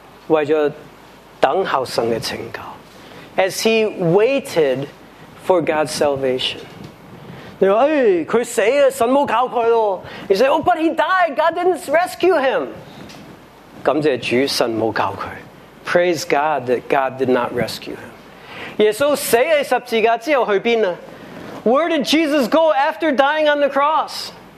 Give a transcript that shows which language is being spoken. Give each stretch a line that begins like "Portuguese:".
English: As he waited for God's salvation. You say, oh, but he died. God didn't rescue him.
Chinese: 感谢主，神没教他。
English: Praise God that God did not rescue him.
Chinese: 耶稣死在十字架之后去哪？
English: Where did Jesus go after dying on the cross?